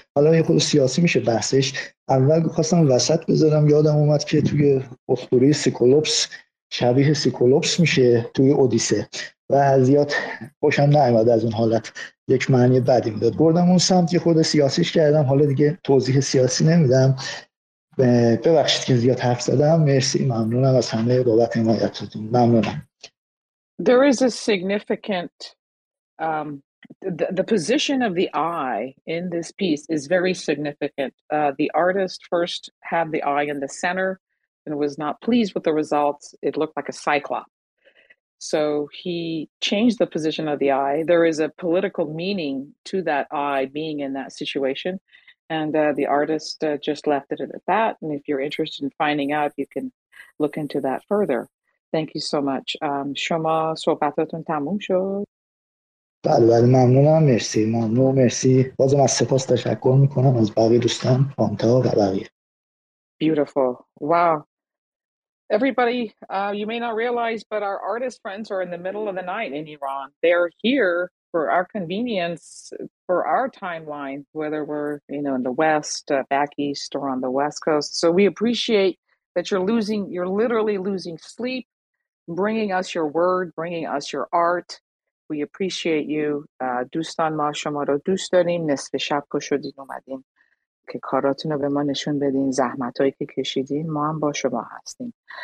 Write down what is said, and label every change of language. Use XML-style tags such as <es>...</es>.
<fa>حالا یه خود سیاسی میشه بحثش، اول خواستم وسط بذارم، یادم اومد که توی اسطوره سیکلوپس شبیه سیکلوپس میشه توی اودیسه و زیاد خوشم نیومد از اون حالت، یک معنی بدی میداد. بردم اون سمت، یه خود سیاسیش کردم، حالا دیگه توضیح سیاسی نمیدم، ببخشید که زیاد حرف زدم. مرسی، ممنونم از همه بابت حمایتتون، ممنونم.</fa> <en>There is a significant the position of the eye in this piece is very significant. The artist first had the eye in the center and was not pleased with the results. It looked like a cyclops. So he changed the position of the eye. There is a political meaning to that eye being in that situation. And the artist just left it at that. And if you're interested in finding out, you can look into that further. Thank you so much.</en> <fa>شما صحبتتون تموم شد؟ بله بله، ممنونم، مرسی، ممنون، مرسی. بازم از سپاس تشکر میکنم از بقیه دوستان، پانتا و بقیه.</fa> <en>Beautiful. Wow. Everybody, you may not realize, but our artist friends are in the middle of the night in Iran. They're here for our convenience, for our timeline, whether we're, you know, in the West, back East, or on the West Coast. So we appreciate that you're literally losing sleep, bringing us your word, bringing us your art. We appreciate you.</en> <fa>دوستان ما شما رو دوست داریم، نصف شب کشودین اومدین که کاراتون رو به ما نشون بدین، زحمت هایی که کشیدین ما هم با شما هستیم.</fa>